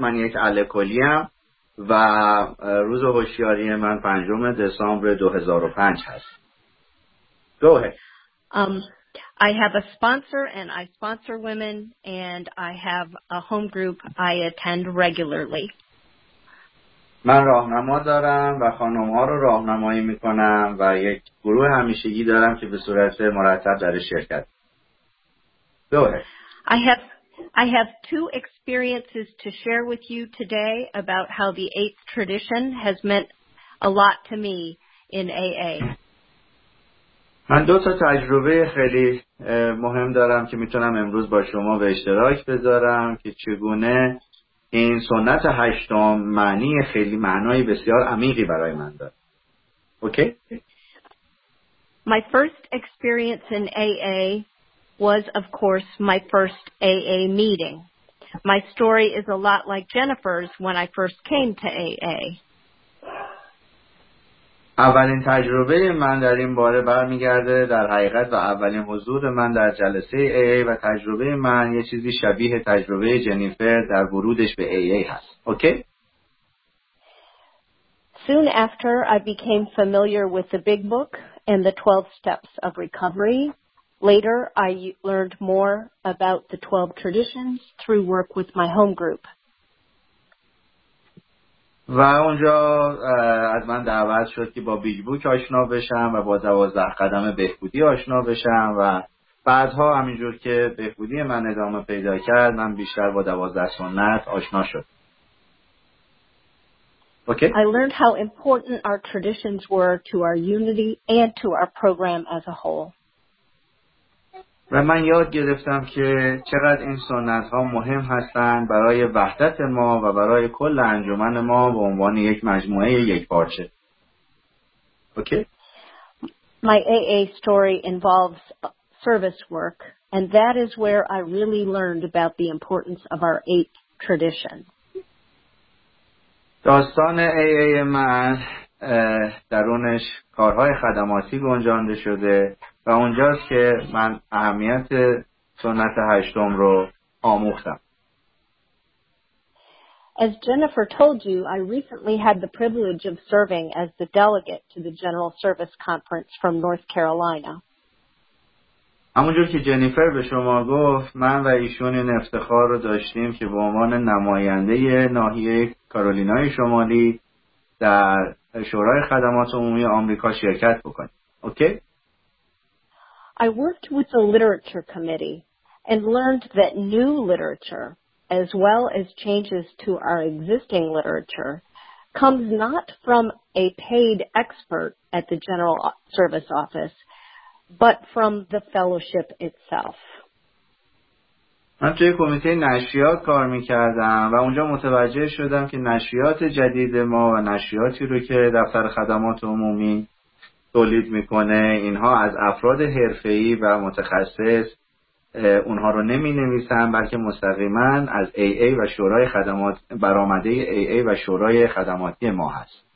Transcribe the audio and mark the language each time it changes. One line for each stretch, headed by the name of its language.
Persian: من یک الکلیم و روز هوشیاری من 5 دسامبر 2005 هست.
English: Go ahead. I have a sponsor, and I sponsor women, and I have a home group I attend regularly.
Persian: من راهنما دارم و خانم‌ها رو راهنمایی می‌کنم و یک گروه همیشگی دارم که به صورت مرتب در شرکت.
English: I have two experiences to share with you today about how the eighth tradition has meant a lot to me in AA.
Persian: من دو تا تجربه خیلی مهم دارم که میتونم امروز با شما به اشتراک بذارم که چگونه این سنت هشتم معنی خیلی معنای بسیار عمیقی برای من داره. اوکی؟
English: My first experience in AA was of course my first AA meeting. My story is a lot like Jennifer's when I first came to AA.
Persian: اولین تجربه من در این باره برمیگرده در حقیقت و اولین حضور من در جلسه AA و تجربه من یه چیزی شبیه تجربه جنیفر در ورودش به AA هست. اوکی؟
English: Soon after I became familiar with the big book and the 12 steps of recovery. Later I learned more about the 12 traditions through work with my home group.
Persian: و اونجا از من دعوت شد که با بیگ بوک آشنا بشم و با 12 قدم بهبودی آشنا بشم و بعدها همینجور که بهبودی من ادامه پیدا کرد من بیشتر با 12 سنت آشنا شد.
English: Okay. I learned how important our traditions were to our unity and to our program as a whole.
Persian: و من یاد گرفتم که چقدر این سنت ها مهم هستن برای وحدت ما و برای کل انجمن ما به عنوان یک مجموعه یک پارچه.
English: Okay. My AA story involves service work and that is where I really learned about the importance of our eighth tradition.
Persian: داستان AA من درونش کارهای خدماتی گنجانده شده و اونجاست که من اهمیت سنت هشتم رو آموختم.
English: As Jennifer told you, I recently had the privilege of serving as the delegate to the General Service Conference from North Carolina.
Persian: همونجور که جنیفر به شما گفت، من و ایشون این افتخار رو داشتیم که به عنوان نماینده ناحیه کارولینای شمالی در شورای خدمات عمومی آمریکا شرکت بکنیم. اوکی؟
English: I worked with the literature committee and learned that new literature, as well as changes to our existing literature, comes not from a paid expert at the General Service Office, but from the fellowship itself.
Persian: من توی کمیته نشریات کار میکردم و اونجا متوجه شدم که نشریات جدید ما و نشریاتی رو که دفتر خدمات عمومی تولید میکنه، اینها از افراد حرفه‌ای و متخصص اونها رو نمی‌نویسن، بلکه مستقیماً از AA و شورای خدمات برآمده AA و شورای خدماتی ما هست.